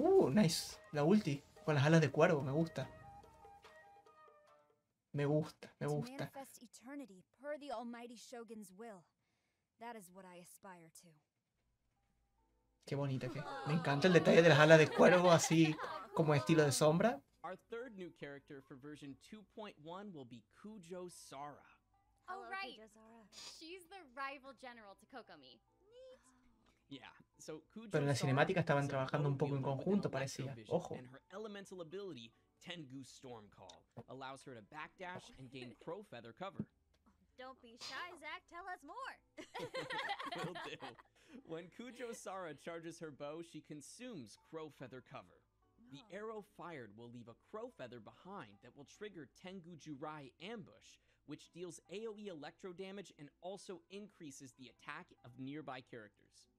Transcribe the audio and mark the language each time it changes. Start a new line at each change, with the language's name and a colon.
Spanish: Nice. La ulti, con las alas de cuervo, me gusta. Me gusta, me gusta.
English: To manifest eternity per the almighty shogun's will. That is what I aspire to.
Spanish: Qué bonita que. Me encanta el detalle de las alas de cuervo así como estilo de sombra.
English: Our third new character for version 2.1 will be Kujo Sara. Oh right. She's the rival general to Kokomi. Yeah. So Kujo.
Spanish: Pero en la cinemática estaban trabajando un poco en conjunto, parecía. Ojo.
English: And her elemental ability Tengu Storm Call allows her to backdash and gain crow feather cover. Don't be shy, Zach. Tell us more. Will do. When Kujo Sara charges her bow, she consumes crow feather cover. The arrow fired will leave a crow feather behind that will trigger Tengu Jurai ambush, which deals AoE electro damage and also increases the attack of nearby characters.